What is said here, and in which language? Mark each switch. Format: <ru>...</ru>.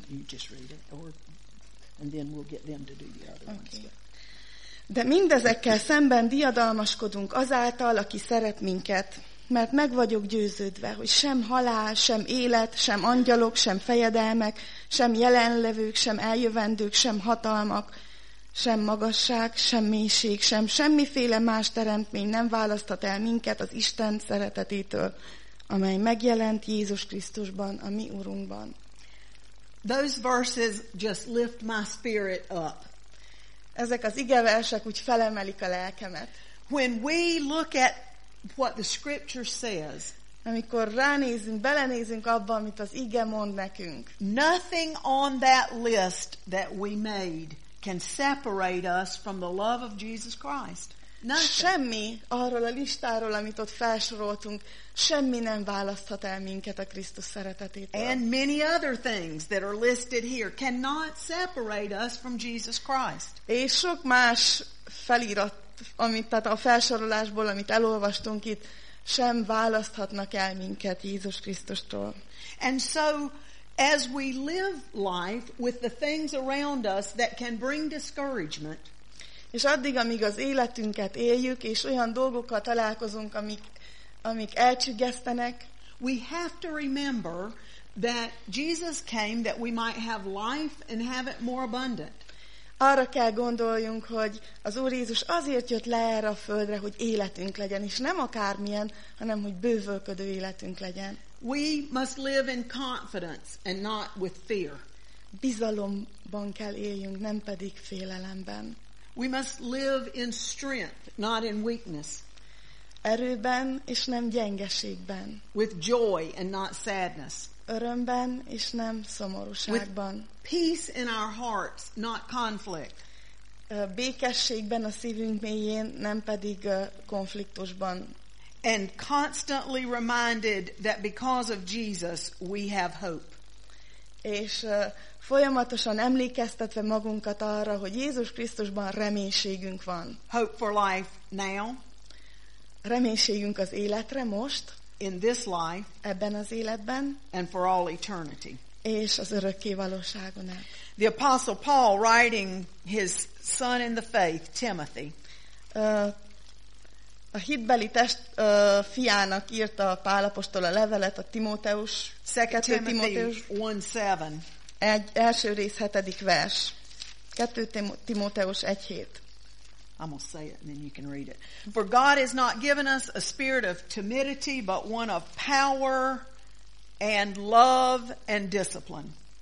<en>Yes, you just read it, or and then we'll get them to do the other okay. ones.</en> <hu>De mindezekkel szemben diadalmaskodunk azáltal, aki szeret minket. Mert meg vagyok győződve, hogy sem halál, sem élet, sem angyalok, sem fejedelmek, sem jelenlevők, sem eljövendők, sem hatalmak, sem magasság, sem mélység, sem semmiféle más teremtmény nem választhat el minket az Isten szeretetétől, amely megjelent Jézus Krisztusban, a mi Urunkban.</hu> <en>Those verses just lift my spirit up.</en> <hu>Ezek az igeversek úgy felemelik a lelkemet.</hu> <en>When we look at what the scripture says,</en> <hu>amikor ránézünk, belenézünk abba, amit az ige mond nekünk.</hu> <en>Nothing on that list that we made can separate us from the love of Jesus Christ. Nothing.</en> <hu>Semmi arról a listáról, amit ott felsoroltunk, semmi nem választhat el minket a Krisztus szeretetétől.</hu> <en>And many other things that are listed here cannot separate us from Jesus Christ.</en> <hu>És sok más felirat, amit tehát a felsorolásból, amit elolvastunk itt, sem választhatnak el minket Jézus Krisztustól.</hu> <en>And so as we live life with the things around us that can bring discouragement.</en> <hu>És addig, amíg az életünket éljük, és olyan dolgokkal találkozunk, amik elcsüggesztenek,</hu> <en>we have to remember that Jesus came that we might have life and have it more abundant.</en> <hu>Arra kell gondoljunk, hogy az Úr Jézus azért jött le erre a földre, hogy életünk legyen, és nem akármilyen, hanem hogy bővölködő életünk legyen.</hu> <en>We must live in confidence and not with fear.</en> <hu>Bizalomban kell éljünk, nem pedig félelemben.</hu> <en>We must live in strength, not in weakness.</en> <hu>Erőben és nem gyengeségben.</hu> <en>With joy and not sadness.</en> <hu>örömben és nem szomorúságban.</hu> <en>With peace in our hearts, not conflict.</en> <hu>Békességben a szívünk mélyén, nem pedig konfliktusban.</hu> <en>And constantly reminded that because of Jesus we have hope.</en> <hu>És folyamatosan emlékeztetve magunkat arra, hogy Jézus Krisztusban reménységünk van.</hu> <en>Hope for life now.</en> <hu>Reménységünk az életre most.</hu> <en>In this life.</en> <hu>Ebben az életben.</hu> <en>And for all eternity.</en> <hu>És az örökké valóságon.</hu> <en>The Apostle Paul writing his son in the faith, Timothy.</en> <hu>A hitbeli test fiának írta a Pál apostol a levelet, a Timóteus. 2 Timóteus 1:7. Egy első rész, hetedik vers. 2 Timóteus 1:7.</hu> <en>I'm going to say it and then you can read it. For God has not given us a spirit of timidity, but one of power and love and discipline.</en>